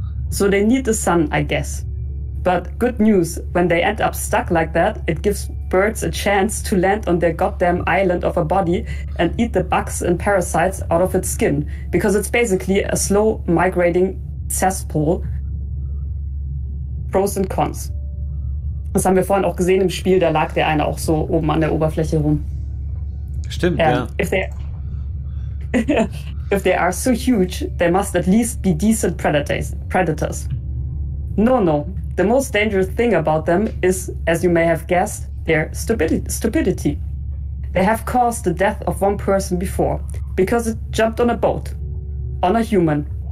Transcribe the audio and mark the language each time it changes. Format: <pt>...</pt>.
<en>So they need the sun, I guess. But good news, when they end up stuck like that, it gives birds a chance to land on their goddamn island of a body and eat the bugs and parasites out of its skin, because it's basically a slow migrating cesspool. Pros and cons.</en> <de>Das haben wir vorhin auch gesehen im Spiel, da lag der eine auch so oben an der Oberfläche rum. Stimmt, ja.</de> <en>If they are so huge, they must at least be decent predators. No. The most dangerous thing about them is, as you may have guessed, their stupidity. They have caused the death of one person before, because it jumped on a boat, on a human.</en>